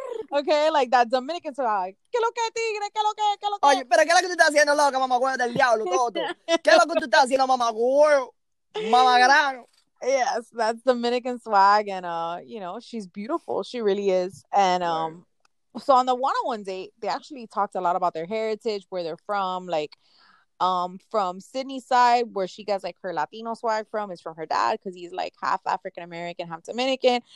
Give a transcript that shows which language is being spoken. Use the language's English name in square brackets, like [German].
[English] Okay, like that Dominican swag. [Spanish] ¿Qué lo que tigre? ¿Qué lo que? ¿Qué lo que? Oye, pero ¿qué es lo que tú estás haciendo, loca, mamá huevo del diablo todo? ¿Qué es lo que tú estás haciendo, mamá huevo? Mamá grano. [English] Yes, that's Dominican swag. And, you know, she's beautiful. She really is. And so on the one-on-one date, they actually talked a lot about their heritage, where they're from, like, from Sydney's side, where she gets like her Latino swag from, is from her dad because he's like half African American, half Dominican.